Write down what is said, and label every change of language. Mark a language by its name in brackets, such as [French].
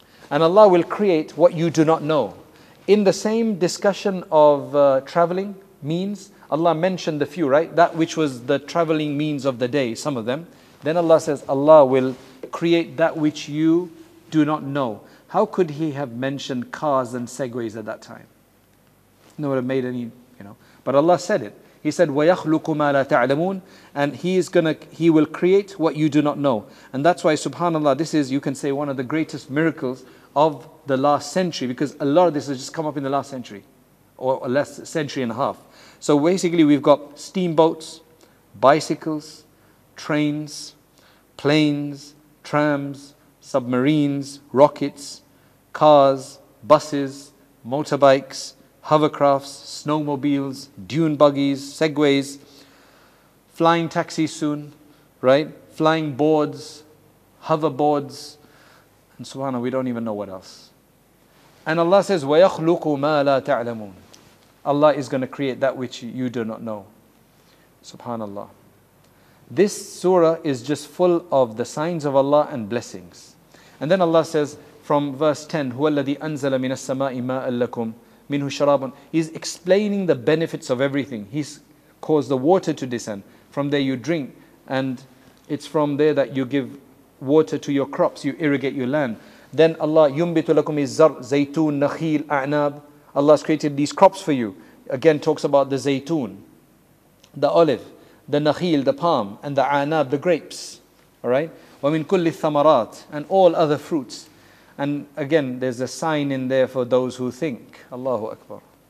[English] And Allah will create what you do not know. In the same discussion of traveling means, Allah mentioned the few, right? That which was the traveling means of the day, some of them. Then Allah says, Allah will create that which you do not know. How could He have mentioned cars and segways at that time? No, it would have made any, you know. But Allah said it. He said, [Arabic] وَيَخْلُقُ مَا لَا تَعْلَمُونَ. [English] And He will create what you do not know. And that's why, subhanAllah, this is, you can say, one of the greatest miracles of the last century. Because a lot of this has just come up in the last century. Or less, century and a half. So basically, we've got steamboats, bicycles, trains, planes, trams, submarines, rockets, cars, buses, motorbikes, hovercrafts, snowmobiles, dune buggies, segways, flying taxis soon, right? Flying boards, hoverboards, and subhanAllah, we don't even know what else. And Allah says, [Arabic] وَيَخْلُقُ مَا لَا تَعْلَمُونَ. [English] Allah is going to create that which you do not know. SubhanAllah. This surah is just full of the signs of Allah and blessings. And then Allah says from verse 10, [Arabic] هُوَ الَّذِي أَنزَلَ مِنَ السَّمَاءِ مَاءً لَكُمْ مِنْهُ شَرَابٌ. [English] He's explaining the benefits of everything. He's caused the water to descend. From there you drink. And it's from there that you give water to your crops. You irrigate your land. Then Allah, [Arabic] يُنْبِتُ لَكُمْ الزَّرْءِ زَيْتُونَ نَخِيلْ أَعْنَابٌ. [English] Allah has created these crops for you. Again, talks about the zaytun, the olive, the nakhil, the palm, and the anab, the grapes. All right? [Arabic] Wa min kulli thamarat, [English] and all other fruits. And again, there's a sign in there for those who think. Allahu Akbar.